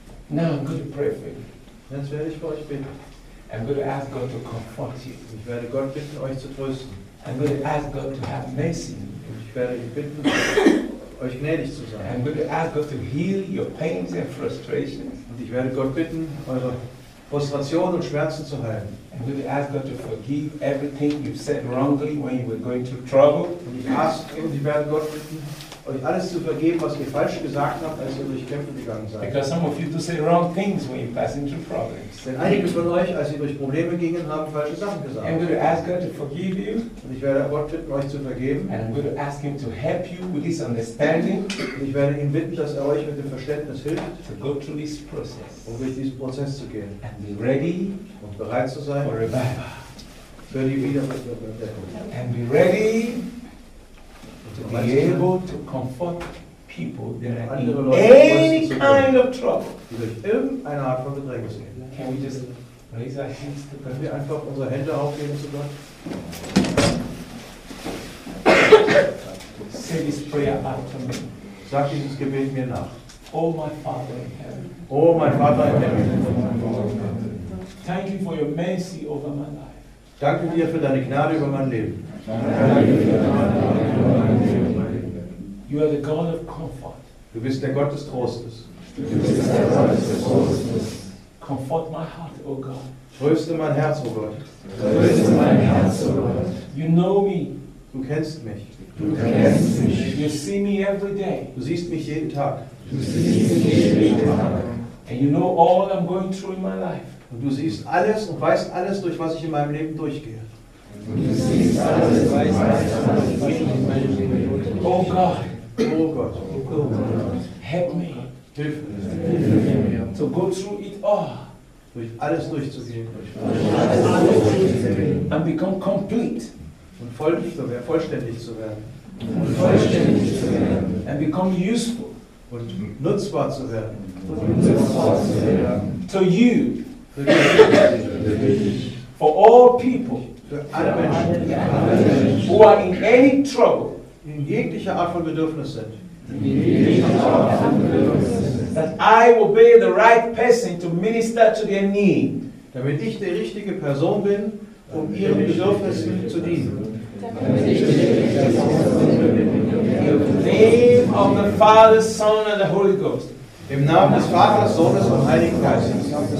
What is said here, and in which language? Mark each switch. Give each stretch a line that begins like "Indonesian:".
English: Now I'm going to pray for you.
German: Jetzt werde ich für euch beten.
English: I'm going to ask God to comfort you.
German: Ich werde Gott bitten, euch zu trösten.
English: I'm going to ask God to have mercy.
German: Ich werde euch bitten, euch gnädig zu sein.
English: I'm going to ask God to heal your pains and frustrations.
German: Und ich werde Gott bitten, eure Frustration und Schmerzen zu heilen.
English: And will you ask God to forgive everything you've said wrongly when you were going through trouble?
German: Und ich werde Gott bitten, euch alles zu vergeben, was ihr falsch gesagt habt, als ihr durch Kämpfe gegangen seid.
English: Because some of you do say wrong things when you pass into problems.
German: Denn einige von euch, als ihr durch Probleme gingen, haben falsche Sachen gesagt.
English: And will you ask God to forgive you?
German: Und ich werde Gott bitten, euch zu vergeben.
English: And will you ask Him to help you with this understanding?
German: Und ich werde ihn bitten, dass er euch mit dem Verständnis hilft,
English: to go through this process.
German: Um durch diesen Prozess zu gehen.
English: And be ready.
German: Und bereit zu sein.
English: For revival.
German: Für die Wiederbelebung.
English: And be ready. To be able to comfort people that are in any kind of trouble.
German: Irgendeine Art von Bedrängnis sehen.
English: Can we just raise our hands?
German: Können wir einfach unsere Hände aufheben zu Gott?
English: Say this prayer after me.
German: Sag dieses Gebet mir nach.
English: Oh, my Father in heaven. Oh, my Father in heaven. Thank you for your mercy over my life.
German: Danke dir für deine Gnade über mein Leben.
English: You are the God of comfort.
German: Du bist der Gott des Trostes.
English: Comfort my heart, O God.
German: Tröste mein Herz, O Gott. Tröste mein Herz, O Gott.
English: You know me.
German: Du kennst mich. Du kennst mich.
English: You see me every day.
German: Du siehst mich jeden Tag. Du siehst mich jeden Tag.
English: And you know all I'm going through in my life.
German: Und du siehst alles und weißt alles, durch was ich in meinem Leben durchgehe.
English: Oh God, oh God, oh God, help me.
German: Hilf mir.
English: To go through it all.
German: Durch alles durchzugehen.
English: And become complete.
German: Und vollständig zu werden. Vollständig zu werden.
English: And become useful.
German: Und nutzbar zu werden.
English: To you.
German: Für dich.
English: For all people.
German: Alle Menschen,
English: who are in any trouble,
German: in jeglicher Art von Bedürfnis sind,
English: that I will be the right person to minister to their need,
German: damit ich die richtige Person bin, um ihren Bedürfnissen zu dienen.
English: In the name of the Father, Son and the Holy Ghost.
German: Im Namen des Vaters, Sohnes und Heiligen Geistes.